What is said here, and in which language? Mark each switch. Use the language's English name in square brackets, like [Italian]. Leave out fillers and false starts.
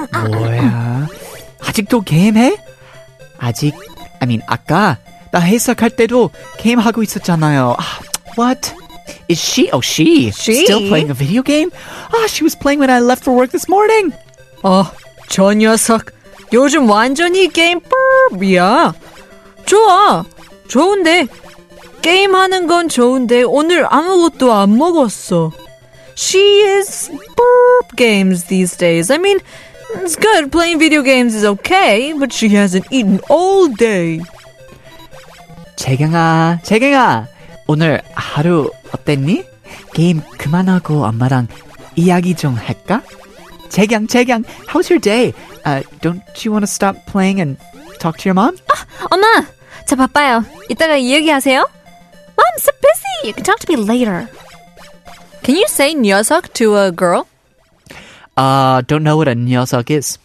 [Korean] 뭐야? 아직도 게임해? 아직, [English] I mean, [Korean] 아까 나 해석할 때도 게임하고 있었잖아요. [English] What? Is she, oh, she? Still playing a video game? Ah, she was playing when I left for work this morning. [Korean] 저 녀석, 요즘 완전히 게임 뿌르비야. 좋아. 좋은데, 게임하는 건 좋은데 오늘 아무것도 안 먹었어. [English] She is burp games these days. I mean, it's good. Playing video games is okay, but she hasn't eaten all day. [Korean] 재경아, 재경아, 오늘 하루 어땠니? 게임 그만하고 엄마랑 이야기 좀 할까? [English] 재경, 재경, how's your day? Don't you want to stop playing and talk to your mom? [Korean] 엄마! 저 바빠요. 이따가 얘기하세요. [English] Mom, so busy. You can talk to me later. Can you say 녀석 to a girl? Don't know what a 녀석 is.